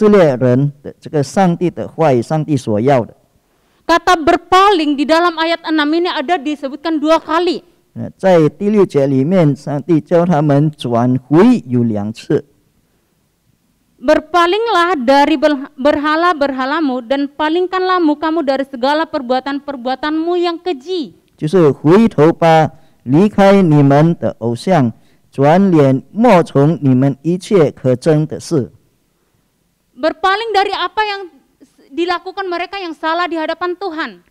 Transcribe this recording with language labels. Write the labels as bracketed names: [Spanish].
[Chinese] 这就是以西结先知所给以色列人的这个上帝的话语，上帝所要的。 [Indonesian] Kata berpaling di dalam ayat 6 ini ada disebutkan dua kali. [Chinese] 在第六节里面，上帝叫他们转回有两次。 [Indonesian] Berpalinglah dari berhala-berhalamu dan palingkanlahmu kamu dari segala perbuatan-perbuatanmu yang keji. [Chinese] 就是回头吧，离开你们的偶像。转脸莫从你们一切可憎的事. [Indonesian] Berpaling dari apa yang dilakukan mereka yang salah di hadapan Tuhan.